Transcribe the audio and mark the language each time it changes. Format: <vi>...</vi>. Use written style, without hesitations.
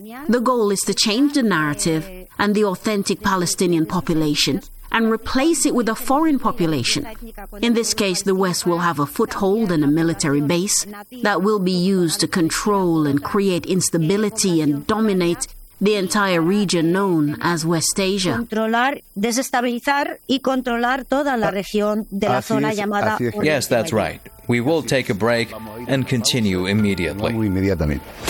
<en>The goal is to change the narrative and the authentic Palestinian population and replace it with a foreign population. In this case, the West will have a foothold and a military base that will be used to control and create instability and dominate the entire region known as West Asia.</en> <es>Controlar, desestabilizar y controlar toda la región de la zona llamada.</es> <en>Yes, that's right. We will take a break and continue immediately.</en>